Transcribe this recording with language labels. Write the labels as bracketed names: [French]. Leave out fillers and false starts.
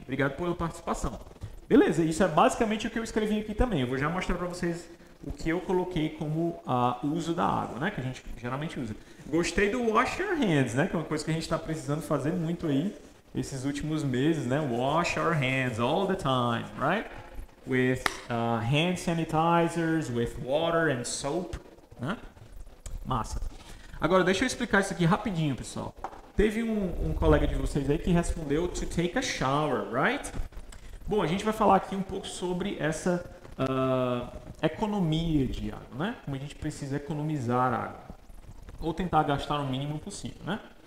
[Portuguese] Obrigado pela participação. Beleza, isso é basicamente o que eu escrevi aqui também. Eu vou já mostrar para vocês o que eu coloquei como uso da água, né? Que a gente geralmente usa. Gostei do [English] wash your hands, [Portuguese] né? Que é uma coisa que a gente está precisando fazer muito aí esses últimos meses, né? [English] Wash our hands all the time, right? With hand sanitizers, with water and soap, né? [Portuguese] Massa. Agora, deixa eu explicar isso aqui rapidinho, pessoal. Teve um colega de vocês aí que respondeu [English] to take a shower, right? [Portuguese] Bom, a gente vai falar aqui um pouco sobre essa economia de água, né? Como a gente precisa economizar água. Ou tentar gastar o mínimo possível, né?